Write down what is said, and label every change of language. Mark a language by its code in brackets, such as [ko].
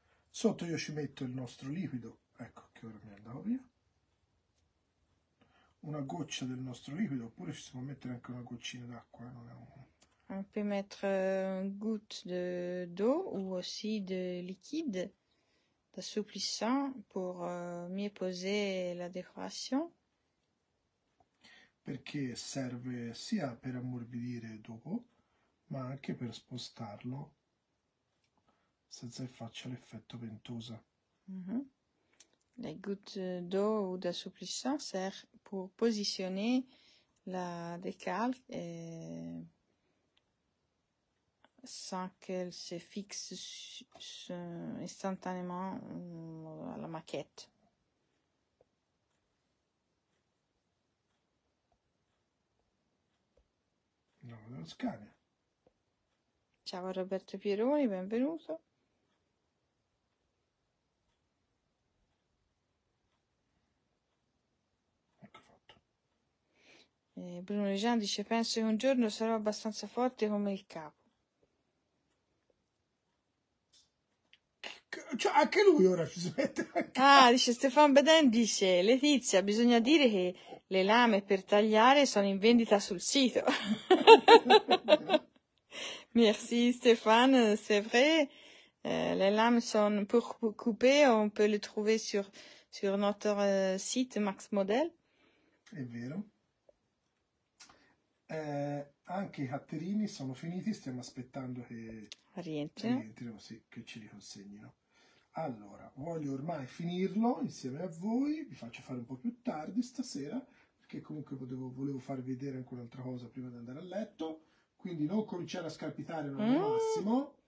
[it] Sotto io ci metto il nostro liquido, ecco che ora mi è andato via. Una goccia del nostro liquido, oppure ci si può mettere anche una goccina d'acqua, non è un. [fr] On peut mettre une goutte d'eau ou aussi de liquide d'assouplissant pour mieux poser la décoration. [it] Perché serve sia per ammorbidire dopo, ma anche per spostarlo. Senza che faccia l'effetto ventosa. [fr] La goutte d'eau ou d'assouplissant sert pour positionner la décalque et... sans qu'elle se fisse istantanément à la maquette. [it] No, dello scania. Ciao Roberto Pieroni, benvenuto. Bruno Lejean dice, penso che un giorno sarò abbastanza forte come il capo. Cioè, anche lui ora ci si mette a Ah, casa. dice Stefan Beden, dice Letizia, bisogna dire che le lame per tagliare sono in vendita sul sito. [fr] Merci Stefan, c'est vrai, [it] le lame sono [fr] pour couper, on peut le trouver sur notre site Max Model. [it] Vero. Anche i catterini sono finiti, stiamo aspettando che Rientrino. rientrino, sì, che ce li consegnino. Allora, voglio ormai finirlo insieme a voi, vi faccio fare un po' più tardi stasera, perché comunque volevo farvi vedere anche un'altra cosa prima di andare a letto, quindi non cominciare a scalpitare, non è massimo.